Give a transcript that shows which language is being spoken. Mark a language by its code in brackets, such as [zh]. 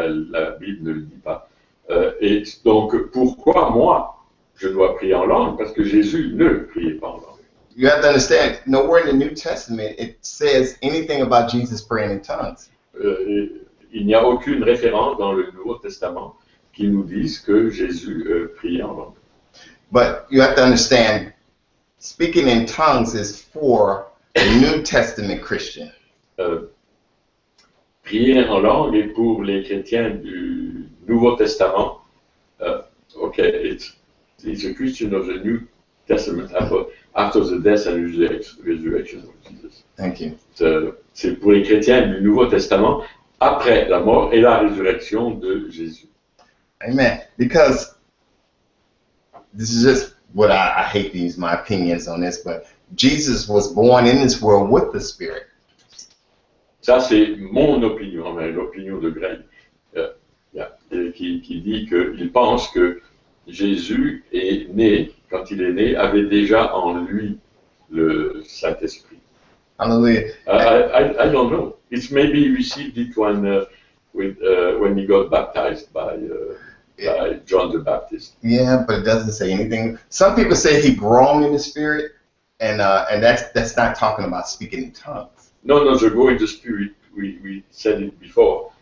[fr] La Bible ne le dit pas. Et donc, pourquoi moi, je dois prier en langue? Parce que Jésus ne priait pas en langue. [en] You have to understand, nowhere in the New Testament, it says anything about Jesus praying in tongues. [fr] Il n'y a aucune référence dans le Nouveau Testament qui nous dise que Jésus priait en langue. [en] But you have to understand, speaking in tongues is for a New Testament Christian. [fr] Prier en langue est pour les chrétiens du Nouveau Testament. [en] It's a question of the New Testament after the death and resurrection of Jesus. Thank you. [fr] C'est pour les chrétiens du Nouveau Testament après la mort et la résurrection de Jésus. [en] Amen. Because this is just what I hate to use my opinions on this, but Jesus was born in this world with the Spirit. [fr] Ça, c'est mon opinion, mais l'opinion de Greg, qui dit qu'il pense que Jésus est né, quand il est né, avait déjà en lui le Saint-Esprit. [en] Hallelujah. I don't know. It's maybe received it when he got baptized by John the Baptist. Yeah, but it doesn't say anything. Some people say he grown in the Spirit, and that's not talking about speaking in tongues. No, the grow in the Spirit, we said it before.